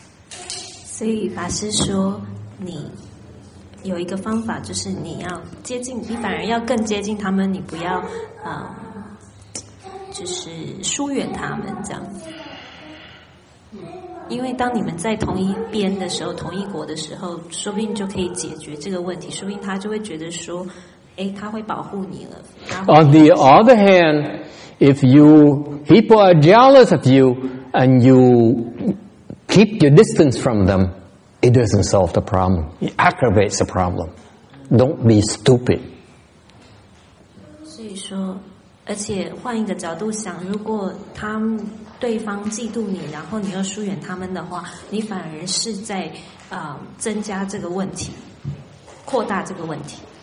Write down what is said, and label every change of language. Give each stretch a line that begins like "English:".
Chinese: So, 法师说, 你有一个方法, 就是你要接近, 你反而要更接近他们, 你不要, 就是疏远他们, 这样。因为当你们在同一边的时候, 同一国的时候, 说不定就可以解决这个问题, 说不定他就会觉得说, 诶, 他会保护你了。
English: On the other hand, if people are jealous of you and you keep your distance from them, it doesn't solve the problem. It aggravates the problem. Don't be stupid.
Chinese: 所以说, 而且换一个角度想, 如果他们, 对方嫉妒你, 然后你又疏远他们的话, 你反而是在, 增加这个问题, 扩大这个问题。